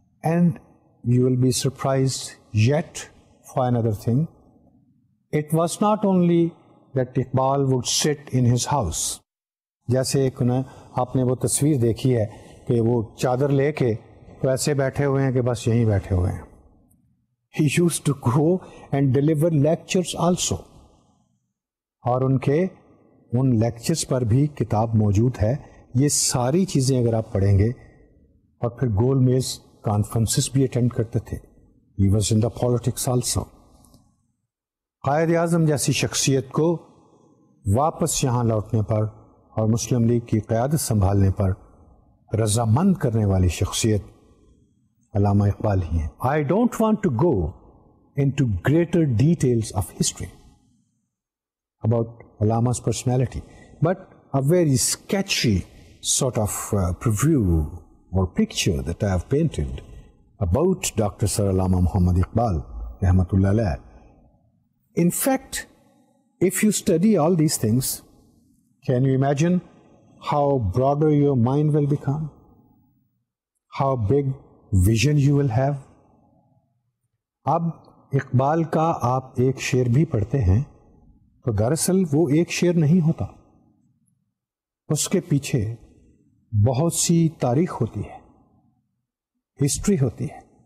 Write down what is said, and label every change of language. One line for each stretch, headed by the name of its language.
English: and you will be surprised yet far another thing, it was not only that Iqbal would sit in his house,
Urdu: جیسے ایک آپ نے وہ تصویر دیکھی ہے کہ وہ چادر لے کے تو ایسے بیٹھے ہوئے ہیں کہ بس یہیں بیٹھے ہوئے ہیں.
English: He used to go and deliver lectures also.
Urdu: اور ان کے ان لیکچرز پر بھی کتاب موجود ہے. یہ ساری چیزیں اگر آپ پڑھیں گے, اور پھر گول میز کانفرنسز بھی اٹینڈ کرتے تھے.
English: He was in the politics also.
Urdu: Quaid Azam جیسی شخصیت کو واپس یہاں لوٹنے پر اور مسلم لیگ کی قیادت سنبھالنے پر رضامند کرنے والی شخصیت علامہ اقبال ہی ہیں.
English: I don't want to go into greater details of history about Allama personality, but a very sketchy sort of preview or picture that I have painted about doctor sir Allama Muhammad Iqbal رحمۃ اللہ علیہ. In fact If you study all these things, can you imagine how broader your mind will become? How big vision you will have?
Urdu: اب اقبال کا آپ ایک شعر بھی پڑھتے ہیں تو دراصل وہ ایک شعر نہیں ہوتا, اس کے پیچھے بہت سی تاریخ ہوتی ہے, ہسٹری ہوتی ہے.